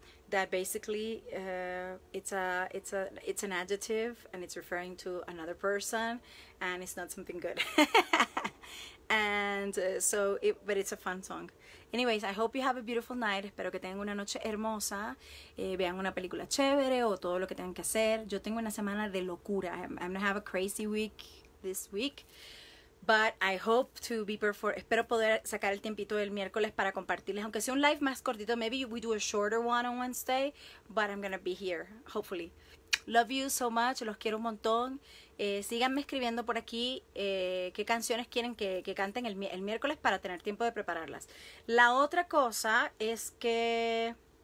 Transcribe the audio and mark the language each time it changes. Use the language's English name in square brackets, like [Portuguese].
[English] That basically it's an adjective and it's referring to another person and it's not something good. But it's a fun song. Anyways, I hope you have a beautiful night. [Spanish] Espero que tengan una noche hermosa. Vean una película chévere o todo lo que tengan que hacer. Yo tengo una semana de locura. [English] I'm gonna have a crazy week this week. But I hope to be performing. [Spanish] Espero poder sacar el tiempito del miércoles para compartirles, aunque sea un live más cortito. [English] Maybe we do a shorter one on Wednesday, but I'm gonna be here, hopefully. Love you so much. [Spanish] Los quiero un montón. Síganme escribiendo por aquí qué canciones quieren que canten el miércoles para tener tiempo de prepararlas. La otra cosa es que...